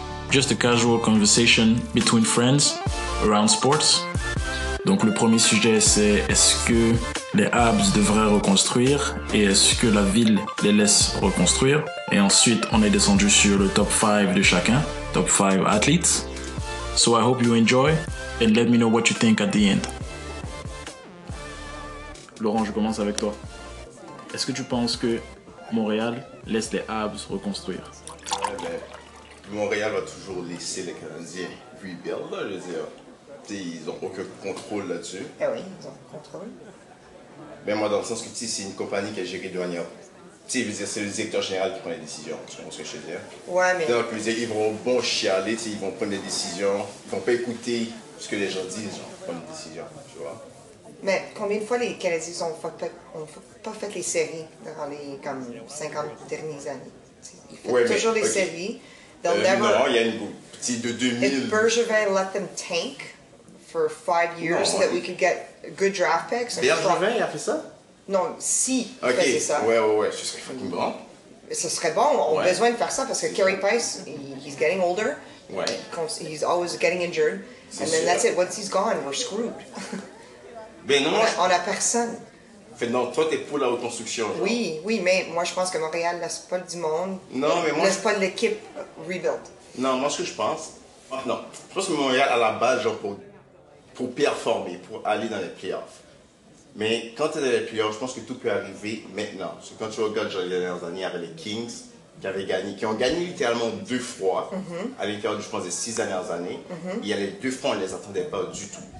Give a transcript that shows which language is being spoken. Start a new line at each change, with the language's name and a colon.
English: Just a casual conversation between friends around sports.
French: Donc le premier sujet c'est est-ce que les Habs devraient reconstruire et est-ce que la ville les laisse reconstruire. Et ensuite on est descendu sur le top 5 de chacun, top 5 athletes.
English: So I hope you enjoy and let me know what you think at the end.
French: Laurent, je commence avec toi. Est-ce que tu penses que Montréal laisse les Habs reconstruire? Ouais, mais Montréal va toujours laisser les Canadiens rebuild, je veux dire. T'sais, ils n'ont aucun contrôle là-dessus. Eh oui, ils ont le contrôle. Mais moi, dans le sens que t'sais, c'est une compagnie qui est gérée de manière. T'sais, je veux dire, c'est le directeur général qui prend les décisions. Tu comprends ce que je veux dire? Ouais, mais. Donc, je veux dire, ils vont bon chialer, t'sais, ils vont prendre des décisions. Ils ne vont pas écouter ce que les gens disent, ils vont prendre des décisions, tu vois. Mais combien de fois les Canadiens ont pas fait les séries durant les comme 50 dernières années? Ils font toujours les séries. Non, il y a une petite de 2000.
English: If Bergevin let them tank for 5 years so that we could get good draft picks.
French: Bergevin, il a fait ça? Non, si. Ok, il ça. Ouais, ce serait fucking bon. Ce serait bon, on a besoin de faire ça parce que Carey Price,
English: he's getting older.
French: Ouais.
English: He's always getting injured. And then that's it, once he's gone, we're screwed.
French: Ben non, on a personne. Fait, non, toi, t'es pour la reconstruction. Genre. Oui, mais moi, je pense que Montréal laisse pas du monde. Non, mais moi. Laisse pas l'équipe rebuild. Non, moi, ce que je pense. Non, je pense que Montréal, à la base, genre, pour performer, pour aller dans les playoffs. Mais quand t'es dans les playoffs, je pense que tout peut arriver maintenant. Parce que quand tu regardes, genre, les dernières années avec les Kings, qui avaient gagné, qui ont gagné littéralement deux fois à l'intérieur, je pense, des 6 dernières années, il y a les deux fois, on ne les attendait pas du tout.